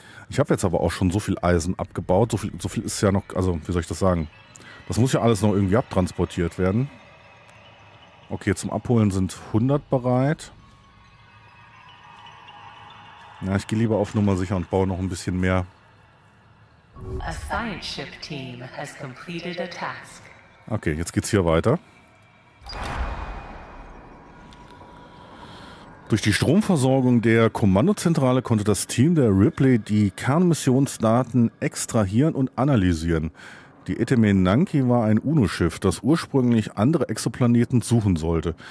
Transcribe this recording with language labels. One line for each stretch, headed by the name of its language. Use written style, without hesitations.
German: Ich habe jetzt aber auch schon so viel Eisen abgebaut. So viel ist ja noch, also wie soll ich das sagen? Das muss ja alles noch irgendwie abtransportiert werden. Okay, zum Abholen sind 100 bereit. Ja, ich gehe lieber auf Nummer sicher und baue noch ein bisschen mehr.
English: A science ship team has completed a task.
German: Okay, jetzt geht's hier weiter. Durch die Stromversorgung der Kommandozentrale konnte das Team der Ripley die Kernmissionsdaten extrahieren und analysieren. Die Etemenanki war ein UNO-Schiff, das ursprünglich andere Exoplaneten suchen sollte.